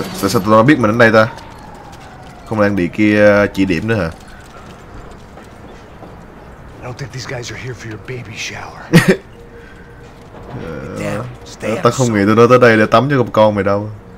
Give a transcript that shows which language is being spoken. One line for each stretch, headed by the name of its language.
Vietnamese: Sao tụi nó biết mình đến đây ta? Không đang bị kia chỉ điểm nữa hả?
English: I don't think these guys are here for your baby shower.
Vietnamese: Ta không nghĩ tụi nó tới đây để tắm cho con mày đâu.